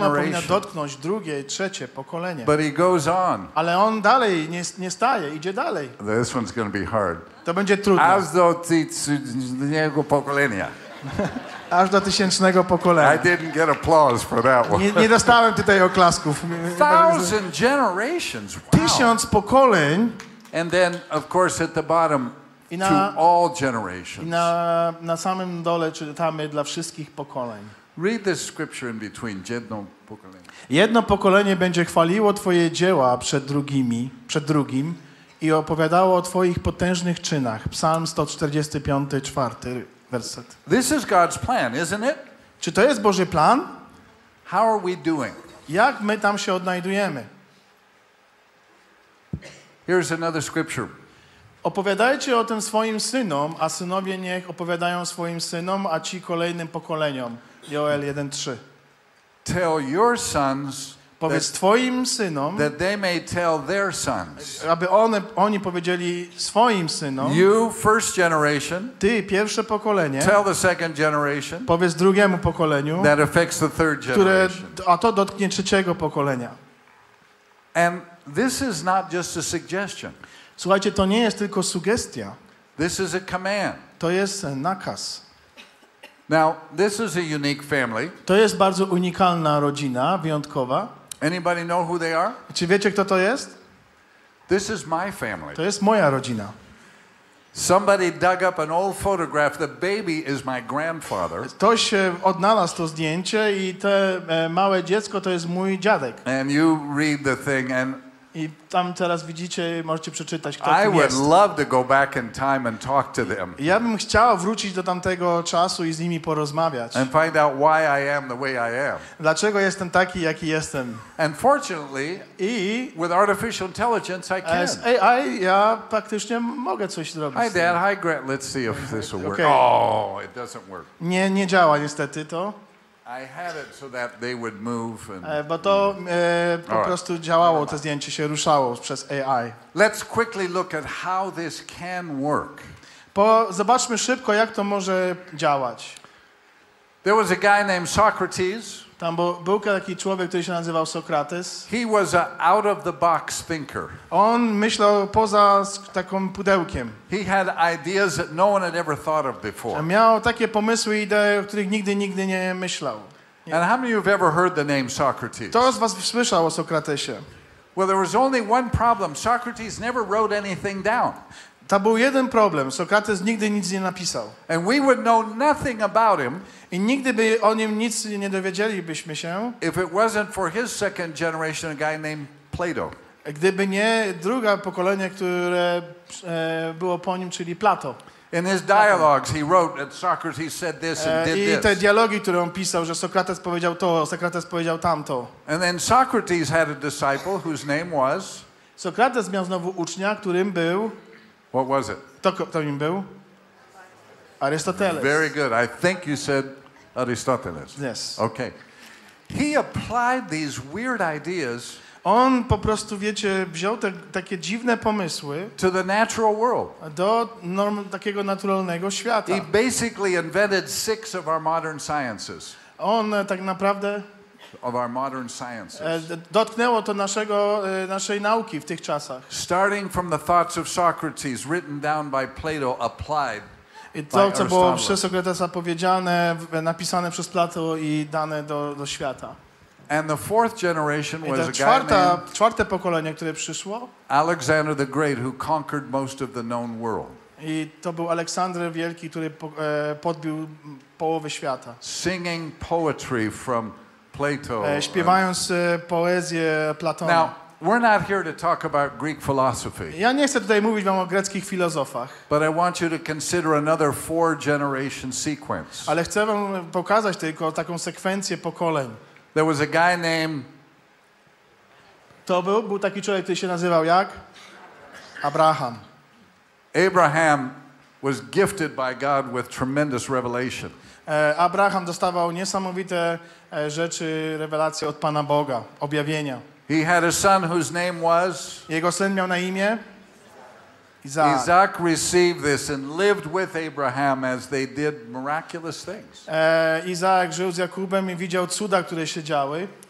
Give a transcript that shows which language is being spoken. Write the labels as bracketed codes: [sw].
[pl] I ona powinna dotknąć drugie, trzecie pokolenie. [en] But he goes on. [pl] Ale on dalej nie staje, idzie dalej. [en] This one's going to be hard. [pl] To będzie trudne. Aż do tysięcznego pokolenia. Aż do tysięcznego pokolenia. [en] I didn't get applause for that one. [pl] Nie dostałem tutaj oklasków. [en] Thousand generations. Wow. [pl] Tysiąc pokoleń. [en] And then, of course, at the bottom, to all generations. [pl] Na samym dole czytamy dla wszystkich pokoleń. [en] Read this scripture in between. [pl] Jedno pokolenie. Jedno pokolenie będzie chwaliło twoje dzieła przed drugim i opowiadało o twoich potężnych czynach. Psalm 145, 4. [en] This is God's plan, isn't it? [pl] Czy to jest Boży plan? [en] How are we doing? [pl] Jak my tam się odnajdujemy? [en] Here's another scripture. [pl] Opowiadajcie o tym swoim synom, a synowie niech opowiadają swoim synom, a ci kolejnym pokoleniom. Joel 1:3. [en] Tell your sons. [pl] Powiedz twoim synom, [en] that they may tell their sons. [pl] Aby oni powiedzieli swoim synom. [en] You first generation. [pl] Ty pierwsze pokolenie. [en] Tell the second generation. [pl] Powiedz drugiemu pokoleniu. [en] That affects the third generation. [pl] A to dotknie trzeciego pokolenia. [en] And this is not just a suggestion. [pl] Słuchajcie, to nie jest tylko sugestia. [en] This is a command. [pl] To jest nakaz. [en] Now, this is a unique family. [pl] To jest bardzo unikalna rodzina, wyjątkowa. [en] Anybody know who they are? [pl] Czy wiecie, kto to jest? [en] This is my family. [pl] To jest moja rodzina. [en] Somebody dug up an old photograph. The baby is my grandfather. [pl] Ktoś odnalazł to zdjęcie i to małe dziecko to jest mój dziadek. [en] And you read the thing and [pl] i tam teraz widzicie, możecie przeczytać, kto to jest. [en] I would love to go back in time and talk to them. [pl] Ja bym chciał wrócić do tamtego czasu i z nimi porozmawiać. [en] And find out why I am the way I am. [pl] Dlaczego jestem taki, jaki jestem? [en] And fortunately, with artificial intelligence, I can. [pl] Z AI ja praktycznie mogę coś zrobić. [en] Hi Dad, hi Grant. Let's see if this will work. Okay. Oh, it doesn't work. [pl] Nie działa niestety to. [en] I had it so that they would move and [pl] bo to po prostu działało, to zdjęcie się ruszało przez AI. [en] Let's quickly look at how this can work. [pl] Zobaczmy szybko, jak to może działać. [en] There was a guy named Socrates. [pl] Tam był taki człowiek, który się nazywał Sokrates. [en] He was an out of the box thinker. [pl] On myślał poza taką pudełkiem. [en] He had ideas that no one had ever thought of before. [pl] Miał takie pomysły i idee, o których nigdy nie myślał. [en] And how many of you have ever heard the name Socrates? [pl] Kto z was słyszał o Sokratesie? [en] Well, there was only one problem. Socrates never wrote anything down. [pl] To był jeden problem. Sokrates nigdy nic nie napisał. [en] And we would know nothing about him. [pl] I nigdy by o nim nic nie dowiedzielibyśmy się. [en] If it wasn't for his second generation, a guy named Plato. [pl] Gdyby nie druga pokolenie, które było po nim, czyli Plato. [en] In his dialogues, he wrote that Socrates said this and did this. [pl] I te dialogi, które on pisał, że Sokrates powiedział to, Sokrates powiedział tamto. [en] And then Socrates had a disciple whose name was. [pl] Sokrates miał znowu ucznia, którym był. [en] What was it? [pl] To nim był? Aristoteles. [en] Very good. I think you said Aristoteles. Yes. Okay. He applied these weird ideas. [pl] On po prostu, wiecie, wziął takie dziwne pomysły. [en] To the natural world. [pl] Do takiego naturalnego świata. [en] He basically invented six of our modern sciences. [pl] On tak naprawdę. [en] Of our modern sciences. [pl] Dotknęło to naszej nauki w tych czasach. [en] Starting from the thoughts of Socrates, written down by Plato, applied. [pl] I to, co było przez Sokratesa powiedziane, napisane przez Plato i dane do świata. [en] And the fourth generation was [pl] czwarte pokolenie, które przyszło. [en] Alexander the Great, who conquered most of the known world. [pl] I to był Aleksander Wielki, który podbił połowę świata. [en] Singing poetry from Plato. [pl] Śpiewając poezję Platona. [en] Now, we're not here to talk about Greek philosophy. [pl] Ja nie chcę tutaj mówić wam o greckich filozofach. [en] But I want you to consider another four generation sequence. [pl] Ale chcę wam pokazać tylko taką sekwencję pokoleń. [en] There was a guy named. [pl] To był taki człowiek, który się nazywał jak? [en] Abraham. Abraham was gifted by God with tremendous revelation. [pl] Abraham dostawał niesamowite rzeczy, rewelacje od Pana Boga, objawienia. [en] He had a son whose name was. [pl] Jego syn miał na imię. [en] Isaac received this and lived with Abraham as they did miraculous things. [pl] Isaac żył z Jakubem i widział cuda, które się działy.